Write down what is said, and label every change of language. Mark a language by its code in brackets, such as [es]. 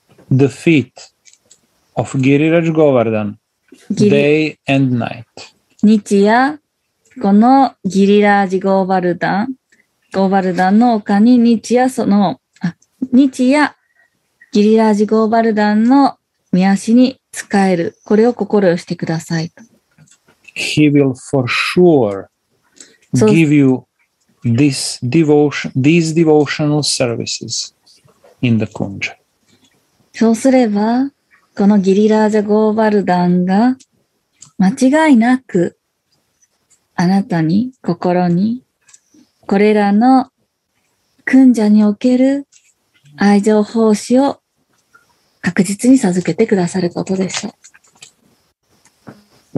[en] the feet of Giriraj Govardhan、day and night、 [ja] 日夜このギリラージゴーバルダン。ゴーバルダンの丘に日夜その、日夜ギリラージゴーバルダンの御足に仕える。これを心よしてください。 [en] He will for sure give you this devotion, these devotional services. in the Kunja. [ja] そうすればこのギリラージャ・ゴーバルダンが間違いなくあなたに心にこれらのクンジャにおける愛情奉仕を確実に授けてくださることでしょう。